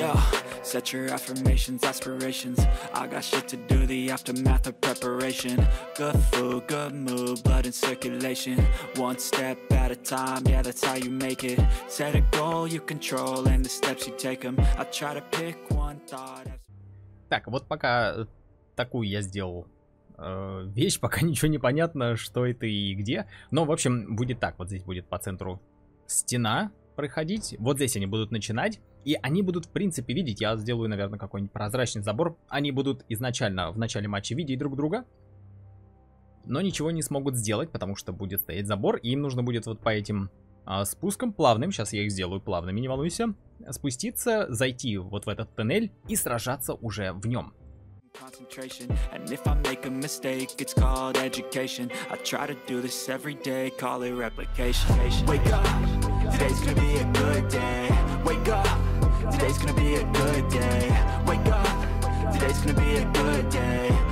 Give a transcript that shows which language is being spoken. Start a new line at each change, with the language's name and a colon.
English: Yo, set your affirmations, aspirations. I got shit to do, the aftermath of preparation. Good food, good mood, blood in circulation. One step at a time, yeah, that's how you make it. Set a goal you control and the steps you take them. I try to pick one thought.
Russian: Так, вот пока... Такую я сделал вещь, пока ничего не понятно, что это и где. Но, в общем, будет так. Вот здесь будет по центру стена проходить. Вот здесь они будут начинать. И они будут, в принципе, видеть. Я сделаю, наверное, какой-нибудь прозрачный забор. Они будут изначально, в начале матча, видеть друг друга. Но ничего не смогут сделать, потому что будет стоять забор. И им нужно будет вот по этим спускам плавным. Сейчас я их сделаю плавными, не волнуйся. Спуститься, зайти вот в этот тоннель и сражаться уже в нем.
English: Concentration, and if I make a mistake, it's called education. I try to do this every day, call it replication. Wake up, today's gonna be a good day. Wake up, today's gonna be a good day. Wake up, today's gonna be a good day.